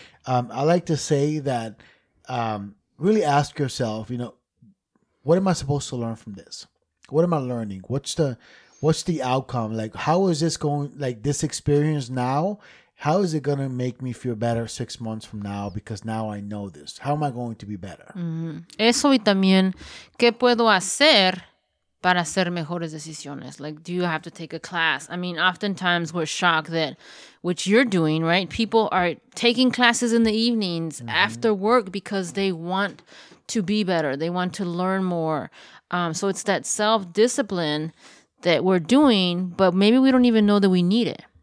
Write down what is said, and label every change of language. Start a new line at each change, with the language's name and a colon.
English: I like to say that really ask yourself, what am I supposed to learn from this? What am I learning? What's the outcome? Like, how is this going, like this experience now, how is it going to make me feel better 6 months from now? Because now I know this. How am I going to be better?
Spanish: Eso y también, ¿qué puedo hacer para hacer mejores decisiones?
English: Like, do you have to take a class? I mean, oftentimes we're shocked that, which you're doing, right? People are taking classes in the evenings after work because they want to be better. They want to learn more. So it's that self-discipline that we're doing, but maybe we don't even know that we need it.